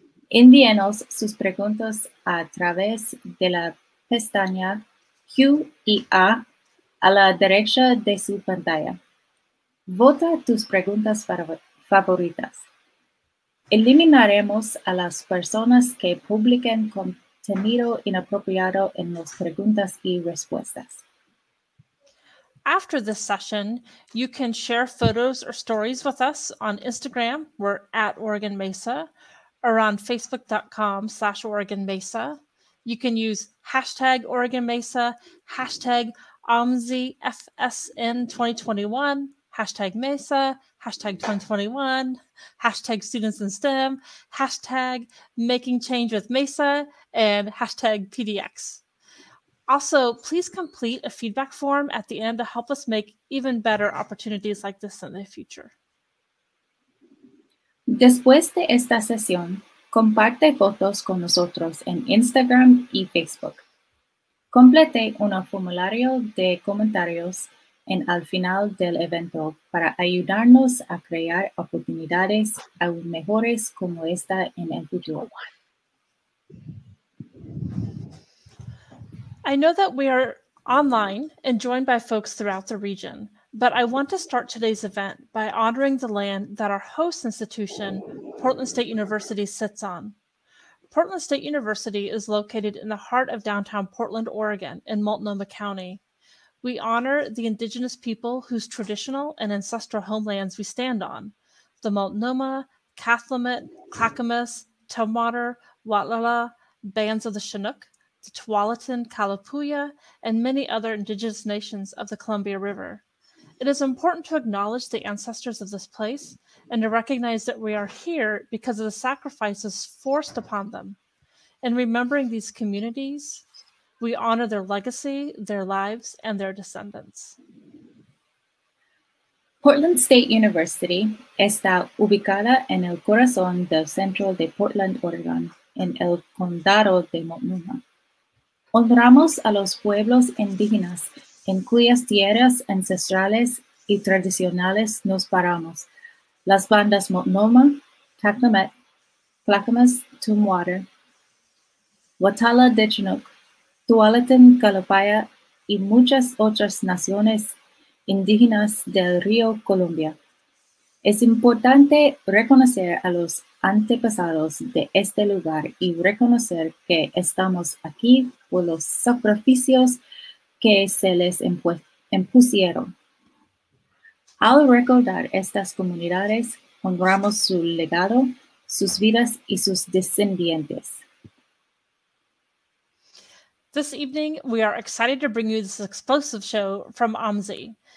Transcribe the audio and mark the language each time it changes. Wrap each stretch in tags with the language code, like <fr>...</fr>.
<es>Envíenos sus preguntas a través de la pestaña Q&A a la derecha de su pantalla. Vota tus preguntas favoritas. Eliminaremos a las personas que publiquen contenido inapropiado en las preguntas y respuestas.</es> <en>After this session, you can share photos or stories with us on Instagram, we're at Oregon MESA, or on facebook.com/OregonMESA. You can use hashtag Oregon MESA, hashtag OMSIFSN2021, hashtag MESA, hashtag 2021, hashtag students in STEM, hashtag making change with MESA, and hashtag PDX. Also, please complete a feedback form at the end to help us make even better opportunities like this in the future.</en> <es>Después de esta sesión, comparte fotos con nosotros en Instagram y Facebook. Complete un formulario de comentarios en al final del evento para ayudarnos a crear oportunidades aún mejores como esta en el futuro.</es> <en>I know that we are online and joined by folks throughout the region, but I want to start today's event by honoring the land that our host institution, Portland State University, sits on. Portland State University is located in the heart of downtown Portland, Oregon, in Multnomah County. We honor the indigenous people whose traditional and ancestral homelands we stand on, the Multnomah, Kathlamet, Clackamas, Tumwater, Watlala, bands of the Chinook, the Tualatin, Kalapuya, and many other indigenous nations of the Columbia River. It is important to acknowledge the ancestors of this place and to recognize that we are here because of the sacrifices forced upon them. In remembering these communities, we honor their legacy, their lives, and their descendants.</en> <es>Portland State University está ubicada en el corazón del centro de Portland, Oregon, en el condado de Multnomah. Honramos a los pueblos indígenas en cuyas tierras ancestrales y tradicionales nos paramos, las bandas Multnomah, Kathlamet, Clackamas, Tumwater, Watala de Chinook, Tualatin, Kalapaya, y muchas otras naciones indígenas del río Columbia. Es importante reconocer a los antepasados de este lugar y reconocer que estamos aquí por los sacrificios que se les impusieron. Al recordar estas comunidades, honramos su legado, sus vidas y sus descendientes.</es> <en>This evening, we are excited to bring you this explosive show from OMSI.</en>